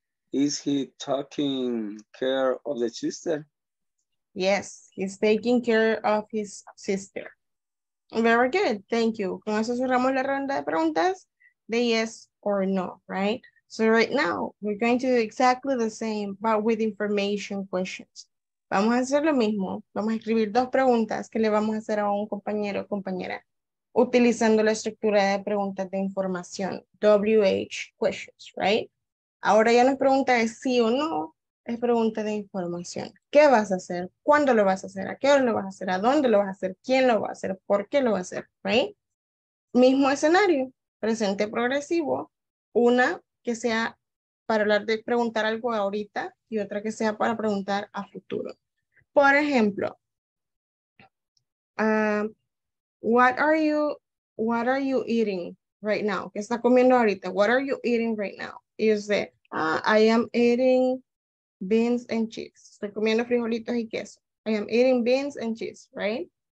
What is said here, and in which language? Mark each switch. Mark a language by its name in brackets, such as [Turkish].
[English] Is he taking care of the sister? Yes, he's taking care of his sister. Very good, thank you. [Spanish] Con eso cerramos la ronda de preguntas de [English] yes or no, right? So right now, we're going to do exactly the same, but with information questions. [Spanish] Vamos a hacer lo mismo. Vamos a escribir dos preguntas que le vamos a hacer a un compañero o compañera utilizando la estructura de preguntas de información, [English] WH questions, right? [Spanish] Ahora ya nos pregunta es sí o no. Es pregunta de información. ¿Qué vas a hacer? ¿Cuándo lo vas a hacer? ¿A qué hora lo vas a hacer? ¿A dónde lo vas a hacer? ¿Quién lo va a hacer? ¿Por qué lo va a hacer? [English] ¿Right? [Spanish] Mismo escenario. Presente progresivo. Una que sea para hablar de preguntar algo ahorita y otra que sea para preguntar a futuro. Por ejemplo, [English] what are you eating right now? [Spanish] ¿Qué está comiendo ahorita? [English] What are you eating right now? [Spanish] Y usted, [English] I am eating beans and cheese. [Spanish] Estoy comiendo frijolitos y queso. [English] I am eating beans and cheese, right?